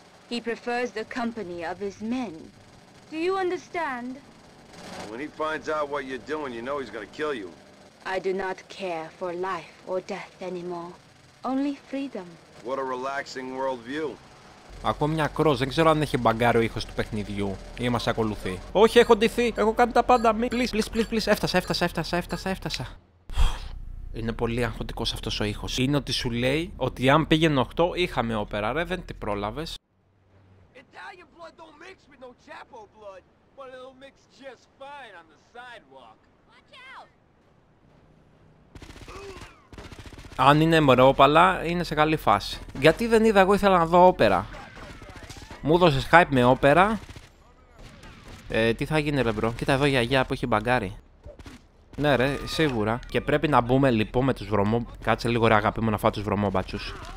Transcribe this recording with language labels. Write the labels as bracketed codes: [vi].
[en] He prefers the company of his men. Do you understand? When he finds out what you're doing, you know he's gonna kill you. I do not care for life or death anymore. Only freedom. What a relaxing world view. [el] Ακούω μια κρόζ, δεν ξέρω αν έχει μπαγκάρει ο ήχος του παιχνιδιού ή μας ακολουθεί. Όχι, έχω ντυθεί. Έχω κάνει τα πάντα. Μη. [en] Please. [el] Έφτασα. Είναι πολύ αγχωτικός αυτός ο ήχος. Είναι ότι σου λέει ότι αν πήγαινε 8, είχαμε όπερα, ρε, δεν την πρόλαβες. [en] Italian blood don't mix with no Chapo blood, but it'll mix just fine on the sidewalk. Watch out! [el] Αν είναι μπρόπαλα, είναι σε καλή φάση. Γιατί δεν είδα, εγώ ήθελα να δω όπερα. Μου δώσες hype με όπερα. Τι θα γίνει, ρε μπρο. Κοίτα εδώ η γιαγιά που έχει μπαγκάρει. Ναι ρε, σίγουρα. Και πρέπει να μπούμε λοιπόν με τους βρωμό... Κάτσε λίγο ρε αγαπή μου να φάω τους βρωμόμπατσους.